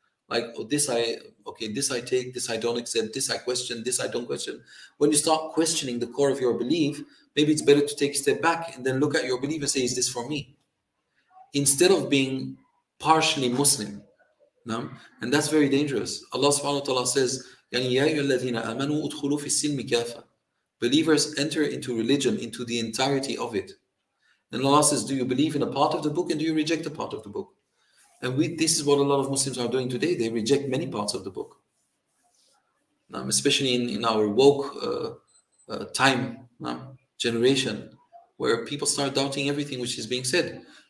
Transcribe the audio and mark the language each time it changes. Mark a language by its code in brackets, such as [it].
[en] Like, oh, this I take, this I don't accept, this I question, this I don't question. When you start questioning the core of your belief, maybe it's better to take a step back and then look at your belief and say, is this for me? Instead of being partially Muslim. No? And that's very dangerous. [ar] Allah subhanahu wa ta'ala says, يَنْ يَا أَيُّ الَّذِينَ آمَنُوا أُدْخُلُوا فِي السِّلْمِ كَافَةً. [en] Believers enter into religion, into the entirety of it. And Allah says, do you believe in a part of the book and do you reject a part of the book? And this is what a lot of Muslims are doing today. They reject many parts of the book. Now, especially in our woke time, now, generation, where people start doubting everything which is being said.